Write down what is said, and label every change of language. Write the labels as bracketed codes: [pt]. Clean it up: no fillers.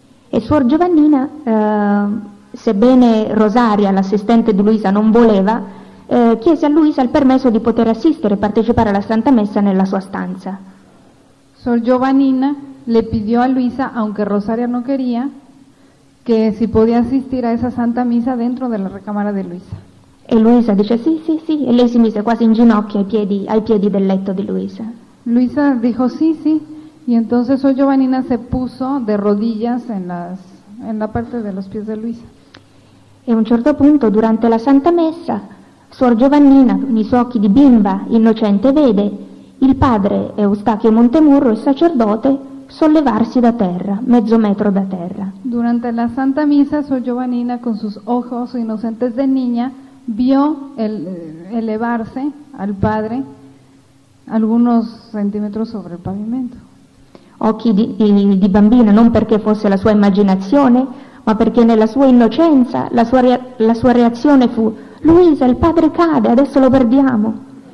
[it] E Suor Giovannina, sebbene Rosaria, l'assistente di Luisa, non voleva, chiese a Luisa il permesso di poter assistere e partecipare alla Santa Messa nella sua stanza. [es] Suor Giovannina le pidió a Luisa, aunque Rosaria no quería, que si podía asistir a esa Santa Misa dentro de la recámara de Luisa. [it] E Luisa dice sì, sì, sì, e lei si mise quasi in ginocchio ai piedi del letto di Luisa. [es] Luisa dijo sì, sì, y entonces Suor Giovannina se puso de rodillas en la parte de los pies de Luisa. [it] E a un certo punto, durante la Santa Messa, Suor Giovannina, con i suoi occhi di bimba innocente, vede il padre Eustachio Montemurro, il sacerdote, sollevarsi da terra, mezzo metro da terra. [es] Durante la Santa Misa, Suor Giovannina, con sus ojos inocentes de niña, vio elevarse al padre algunos centímetros sobre el pavimento. [it] Occhi di bambina, non perché fosse la sua immaginazione, ma perché nella sua innocenza la sua reazione fu: Luisa, il padre cade, adesso lo perdiamo.